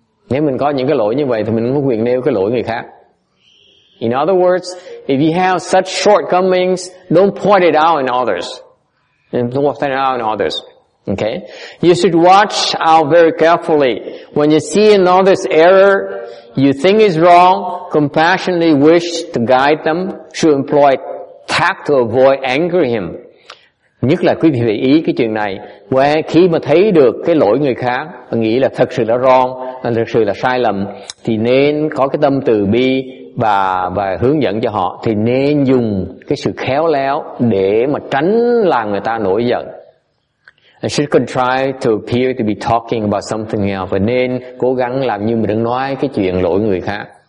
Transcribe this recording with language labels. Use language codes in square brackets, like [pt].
[vi] Nếu mình có những cái lỗi như vậy thì mình không có quyền nêu cái lỗi người khác. [en] In other words, if you have such shortcomings, don't point it out in others. Okay? You should watch out very carefully. When you see another's error, you think is wrong, compassionately wish to guide them, should employ tact to avoid angering him. [vi] Nhất là quý vị phải ý cái chuyện này. Khi mà thấy được cái lỗi người khác, nghĩ là thật sự là wrong, thật sự là sai lầm, thì nên có cái tâm từ bi và hướng dẫn cho họ. Thì nên dùng cái sự khéo léo để mà tránh làm người ta nổi giận. [en] And should contrive to appear to be talking about something else. [vi] Và nên cố gắng làm như mình đang nói cái chuyện lỗi người khác.